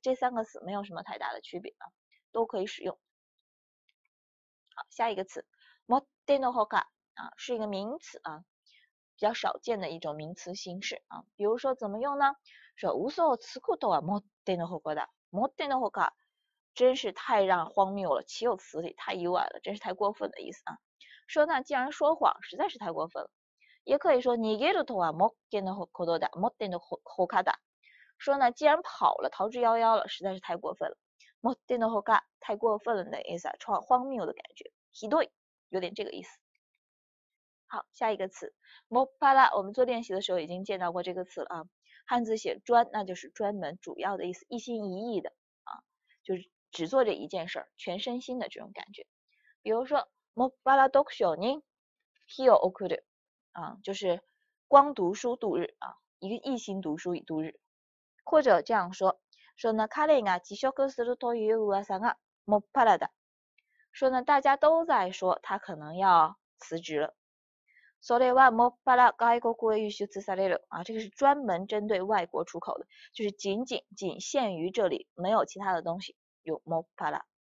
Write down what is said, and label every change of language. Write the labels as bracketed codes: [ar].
[zh] 这三个词没有什么太大的区别啊，都可以使用。好，下一个词，もってのほか啊，是一个名词啊，比较少见的一种名词形式啊。比如说怎么用呢？ [ja] 说嘘をつくことはもってのほかだ。 [zh] もってのほか，真是太让荒谬了，岂有此理，太意外了，真是太过分的意思啊。说那既然说谎，实在是太过分了。也可以说 [ja] 逃げるとはもってのほかだ。もってのほかだ。 [zh] 说呢，既然跑了，逃之夭夭了，实在是太过分了。もってのほか，太过分了的意思啊，荒谬的感觉。ひどい，有点这个意思。好，下一个词，もっぱら，我们做练习的时候已经见到过这个词了啊。汉字写专，那就是专门、主要的意思，一心一意的啊，就是只做这一件事儿，全身心的这种感觉。比如说， [ja] もっぱら読書に日を送る， [zh] 啊，就是光读书度日啊，一个一心读书度日。或者这样说，说呢， [ja] 彼が辞職するという噂がもっぱらだ。 [zh] 说呢，大家都在说他可能要辞职了。 [ja] それはもっぱら外国へ輸出される [zh] 啊，这个是专门针对外国出口的，就是仅限于这里，没有其他的东西用もっぱら。